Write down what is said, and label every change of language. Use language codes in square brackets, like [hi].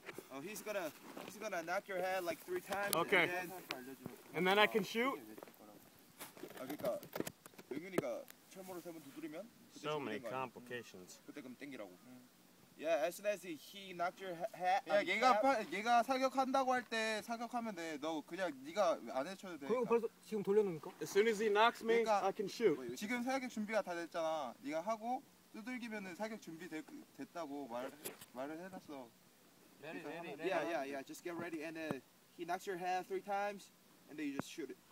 [en] 어, he's gonna knock your head like 3 times. Okay. And then I can shoot. [ko] 아, 그러니까 의균이가 철모를 세 번 두드리면 [en] so many complications. [ko] 그때 그럼 땡기라고. [en] Yeah, as soon as he knocked your head. [ko] 야, 얘가 사격한다고 할 때 사격하면 돼. 너 그냥 네가 안 해쳐도 돼. 그럼 벌써 지금 돌려놓을까? [en] As soon as he knocks me, 그러니까, I can shoot. 뭐, [ko] 지금 사격 준비가 다 됐잖아. 네가 하고 두들기면은 사격 준비 됐다고 말을 해 놨어. [en] Ready. Just get ready, and then he knocks your head 3 times, and then you just shoot it.